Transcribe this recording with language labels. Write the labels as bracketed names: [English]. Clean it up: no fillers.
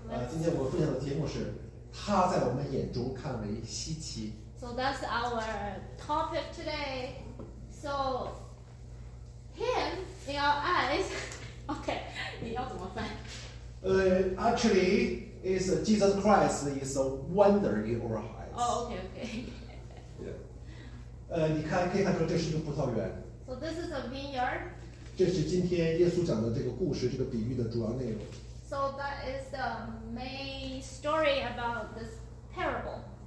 [Chinese] 今天我们分享的题目是他在我们眼中看为稀奇。 [English] So that's our topic today. So, him in our eyes, okay, [Chinese] 你要怎么翻 [English] Actually, is Jesus Christ is a wonder in our eyes. Oh, okay. Yeah. [Chinese] 你看，可以看出这是一个葡萄园。 [English] So this is a vineyard. [Chinese] 这是今天耶稣讲的这个故事，这个比喻的主要内容。 [English] So that is the main story about this parable.